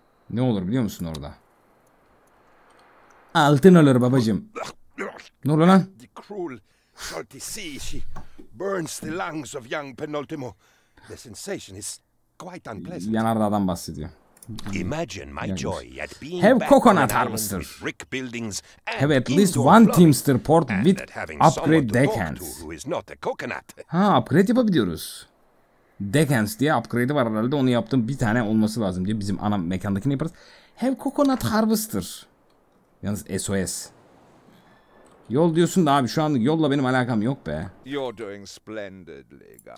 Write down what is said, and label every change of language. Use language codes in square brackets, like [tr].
[tr] Ne olur biliyor musun orada? Altın olur babacığım. Ne olur lan? [en] The cruel salty sea, she burns the lungs of young Penultimo. The sensation is quite unpleasant. [tr] Yanardağ'dan bahsediyor. [en] Imagine my joy at being have coconut harvester. Have at least one teamster port with upgrade deckhands. [tr] Ha, upgrade yapabiliyoruz. Deckhands diye upgrade var herhalde. Onu yaptım. Bir tane olması lazım diye bizim ana mekandakini yaparız. [en] Have coconut harvester. [tr] Yalnız SOS. Yol diyorsun da abi şu an yolla benim alakam yok be. [en] You're doing splendidly.